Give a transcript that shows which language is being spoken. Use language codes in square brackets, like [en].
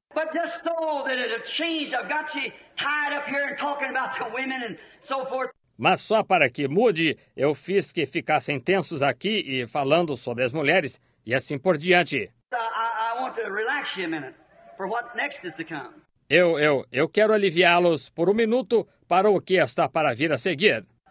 [en] But just so that it'll change, I've got you tied up here and talking about the women and so forth. [pt] Mas só para que mude, eu fiz que ficassem tensos aqui e falando sobre as mulheres e assim por diante. [en] I want to relax you a minute for what next is to come. [pt] Eu quero aliviá-los por um minuto para o que está para vir a seguir.